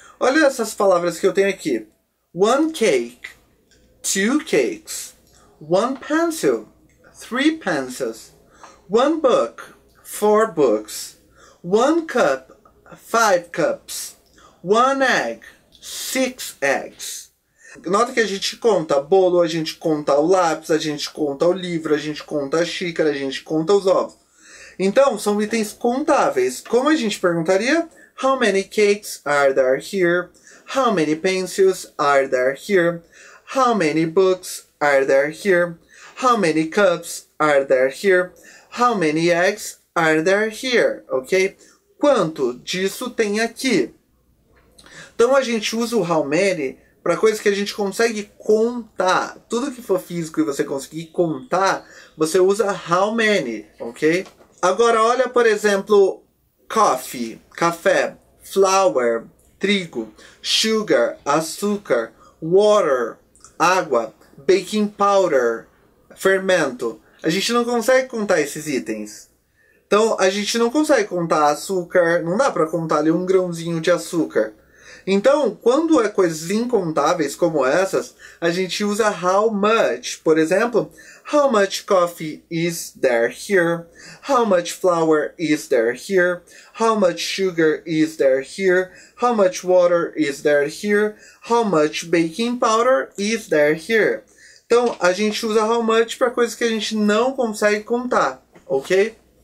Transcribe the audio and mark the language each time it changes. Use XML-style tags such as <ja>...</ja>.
<pt>Olha essas palavras que eu tenho aqui:</pt> <en>1 cake, 2 cakes, 1 pencil, 3 pencils, 1 book, 4 books, 1 cup, 5 cups, 1 egg, 6 eggs.</en> <pt>Nota que a gente conta bolo, a gente conta o lápis, a gente conta o livro, a gente conta a xícara, a gente conta os ovos. Então, são itens contáveis. Como a gente perguntaria?</pt> <en>How many cakes are there here? How many pencils are there here? How many books are there here? How many cups are there here? How many eggs are there here?</en> <pt>Ok? Quanto disso tem aqui? Então, a gente usa o how many para coisas que a gente consegue contar. Tudo que for físico e você conseguir contar, você usa how many, ok? Agora olha, por exemplo, coffee, café, flour, trigo, sugar, açúcar, water, água, baking powder, fermento. A gente não consegue contar esses itens. Então, a gente não consegue contar açúcar, não dá para contar ali um grãozinho de açúcar. Então, quando é coisas incontáveis como essas, a gente usa how much. Por exemplo,</pt> <en>how much coffee is there here? How much flour is there here? How much sugar is there here? How much water is there here? How much baking powder is there here?</en> <pt>Então, a gente usa how much para coisas que a gente não consegue contar, ok?</pt>